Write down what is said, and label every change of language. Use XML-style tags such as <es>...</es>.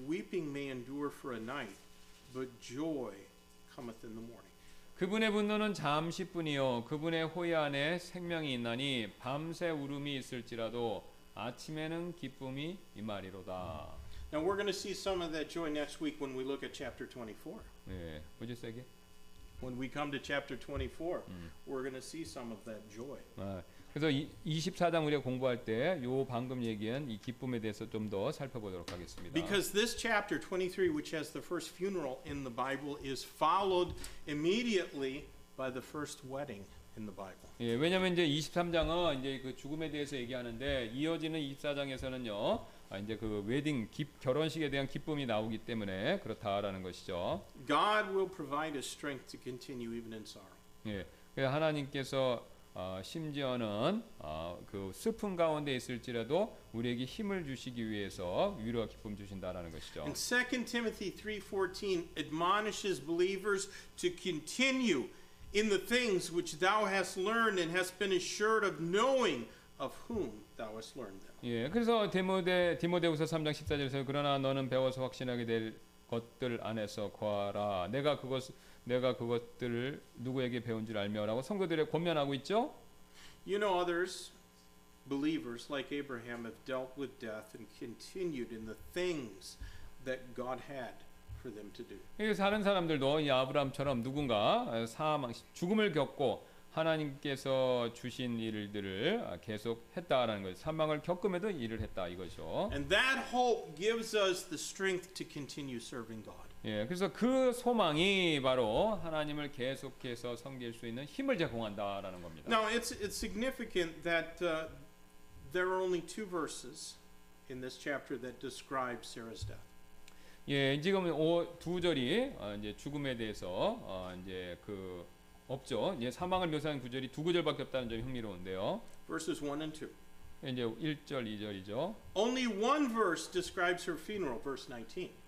<en>Weeping may endure for a night, but joy cometh in the morning.</en> <ko>그분의 분노는 잠시뿐이요 그분의 호의 안에 생명이 있나니 밤새 울음이 있을지라도 아침에는 기쁨이 임하리로다.</ko> <en>Now we're going to see some of that joy next week when we look at chapter 24.</en> <ko>예, 뭐지 세게?</ko> <en>When we come to chapter 24, we're going to see some of that joy.</en> <ko>아, 그래서 24장 우리가 공부할 때 요 방금 얘기한 이 기쁨에 대해서 좀 더 살펴보도록 하겠습니다.</ko> <en>Because this chapter 23, which has the first funeral in the Bible, is followed immediately by the first wedding in the Bible.</en> <ko>예, 왜냐면 이제 23장은 이제 그 죽음에 대해서 얘기하는데 이어지는 24장에서는요. 아, 이제 그 웨딩 결혼식에 대한 기쁨이 나오기 때문에 그렇다라는 것이죠. God will provide a strength to continue even in sorrow. 예. 하나님께서 심지어는 그 슬픔 가운데 있을지라도 우리에게 힘을 주시기 위해서 위로와 기쁨 주신다라는 것이죠.</ko> <en>And 2 Timothy 3:14 admonishes believers to continue in the things which thou hast learned and hast been assured of knowing of whom thou hast learned them.</en> <ko>예, 그래서 디모데후서 3장 14절에서 그러나 너는 배워서 확신하게 될 것들 안에서 거하라. 내가 그것들을 누구에게 배운 줄 알며라고 성도들에 권면하고 있죠.</ko> <en>You know others believers like Abraham have dealt with death and continued in the things that God had for them to do.</en> <ko>다른 사람들도 이 아브라함처럼 누군가 사망 죽음을 겪고 하나님께서 주신 일들을 계속 했다라는 거예요. 사망을 겪음에도 일을 했다 이거죠.</ko> <en>And that hope gives us the strength to continue serving God.</en> <ko>예, 그래서 그 소망이 바로 하나님을 계속해서 섬길 수 있는 힘을 제공한다라는 겁니다.</ko> <en>Now it's significant that there are only two verses in this chapter that describe Sarah's death.</en> <ko>예, 지금 두 절이 이제 죽음에 대해서 이제 그 없죠. 이제 사망을 묘사한 구절이 두 구절밖에 없다는 점이 흥미로운데요.</ko> <en>Verses 1 and 2.</en> <ko>이제 1절, 2절이죠.</ko> <en>Only one verse describes her funeral, verse 19.</en>